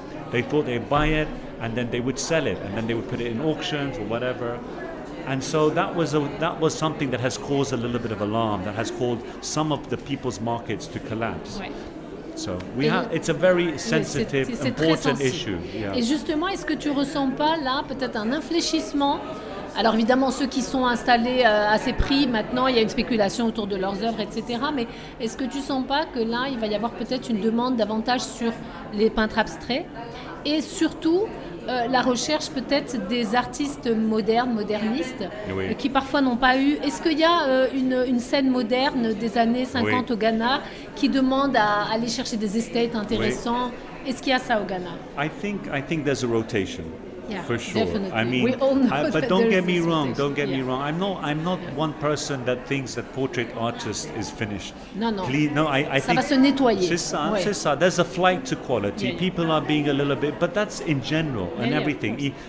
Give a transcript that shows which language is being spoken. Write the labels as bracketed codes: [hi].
[en] They thought they'd buy it, and then they would sell it, and then they would put it in auctions or whatever. And so that was something that has caused a little bit of alarm, that has caused some of the people's markets to collapse. Right. So it's a very sensitive, important issue. Yeah. [fr] Et justement, est-ce que tu ressens pas là peut-être un infléchissement? Alors évidemment, ceux qui sont installés à ces prix, maintenant, il y a une spéculation autour de leurs œuvres, etc. Mais est-ce que tu sens pas que là, il va y avoir peut-être une demande davantage sur les peintres abstraits? Et surtout, la recherche peut-être des artistes modernes, modernistes, qui parfois n'ont pas eu... Est-ce qu'il y a une scène moderne des années 50 au Ghana qui demande à aller chercher des estates intéressants? Est-ce qu'il y a ça au Ghana? [en] I think there's a rotation. Yeah, for sure. Definitely. I mean, we all know but don't get me wrong. Don't get me wrong. I'm not one person that thinks that portrait artist is finished. No, I think [fr] ça va se nettoyer. C'est ça. [en] There's a flight to quality. Yeah, people are being a little bit, but that's in general and everything.